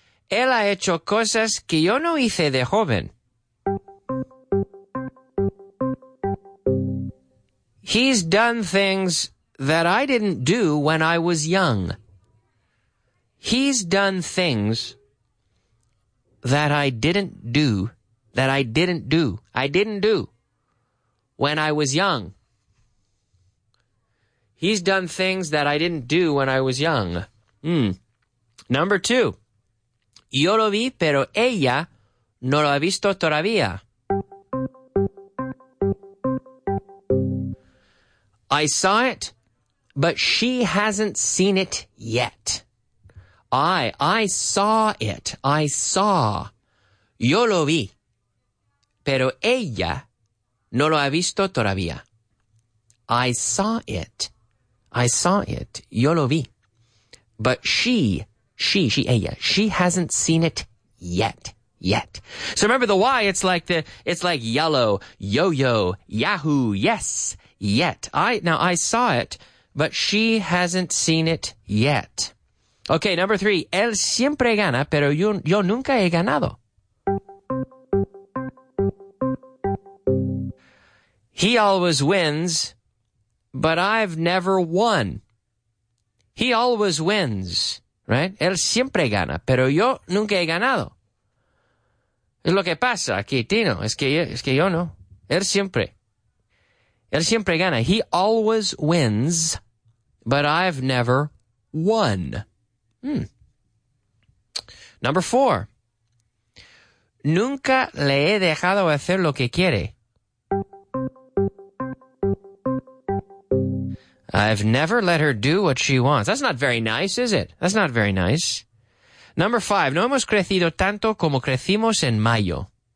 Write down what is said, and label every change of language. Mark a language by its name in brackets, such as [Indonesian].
[Spanish] Él ha hecho cosas que yo no hice de joven. [English] He's done things that I didn't do when I was young. He's done things that I didn't do, that I didn't do. When I was young. He's done things that I didn't do when I was young. Number two. [Spanish] Yo lo vi, pero ella no lo ha visto todavía. [English] I saw it, but she hasn't seen it yet. I saw it. I saw. [Spanish] Yo lo vi, pero ella no lo ha visto todavía. [English] I saw it. I saw it. [Spanish] Yo lo vi. [English] But she hasn't seen it yet. So remember the why, it's like yellow, yo-yo, yahoo, yes, yet. I saw it, but she hasn't seen it yet. Okay, number three. [Spanish] Él siempre gana, pero yo nunca he ganado. [English] He always wins, but I've never won. He always wins, right? [Spanish] Él siempre gana, pero yo nunca he ganado. Es lo que pasa aquí, Tino. Es que yo no. Él siempre gana. [English] He always wins, but I've never won. Number four. [Spanish] Nunca le he dejado hacer lo que quiere. [English] I've never let her do what she wants. That's not very nice, is it? That's not very nice. Number five. [Spanish] No hemos crecido tanto como crecimos en mayo.